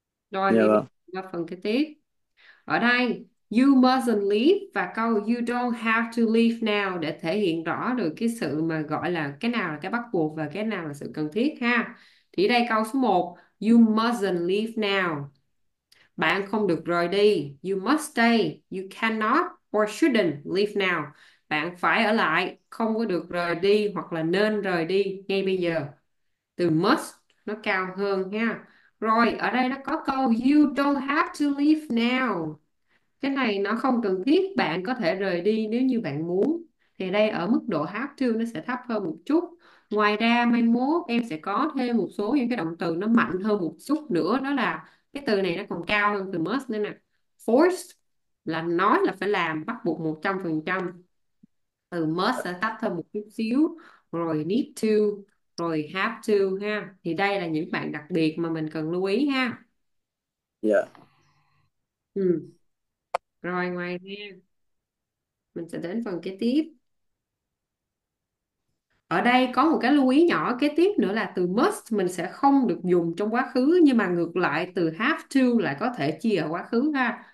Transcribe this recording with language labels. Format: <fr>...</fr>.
<vi>Rồi thì mình gặp phần kế tiếp. Ở đây,</vi> <en>you mustn't leave</en> <vi>và câu</vi> <en>you don't have to leave now</en> <vi>để thể hiện rõ được cái sự mà gọi là cái nào là cái bắt buộc và cái nào là sự cần thiết ha. Thì đây câu số 1,</vi> <en>you mustn't leave now.</en> <vi>Bạn không được rời đi.</vi> <en>You must stay. You cannot or shouldn't leave now.</en> <vi>Bạn phải ở lại, không có được rời đi hoặc là nên rời đi ngay bây giờ. Từ must nó cao hơn nha. Rồi, ở đây nó có câu</vi> <en>you don't have to leave now.</en> <vi>Cái này nó không cần thiết, bạn có thể rời đi nếu như bạn muốn. Thì đây ở mức độ have to nó sẽ thấp hơn một chút. Ngoài ra mai mốt em sẽ có thêm một số những cái động từ nó mạnh hơn một chút nữa, đó là cái từ này nó còn cao hơn từ must nữa nè. Force là nói là phải làm, bắt buộc 100%. Từ must sẽ tắt thêm một chút xíu. Rồi need to, rồi have to ha. Thì đây là những bạn đặc biệt mà mình cần lưu ý ha. Rồi ngoài ra mình sẽ đến phần kế tiếp. Ở đây có một cái lưu ý nhỏ kế tiếp nữa là từ must mình sẽ không được dùng trong quá khứ, nhưng mà ngược lại từ have to lại có thể chia ở quá khứ ha.</vi>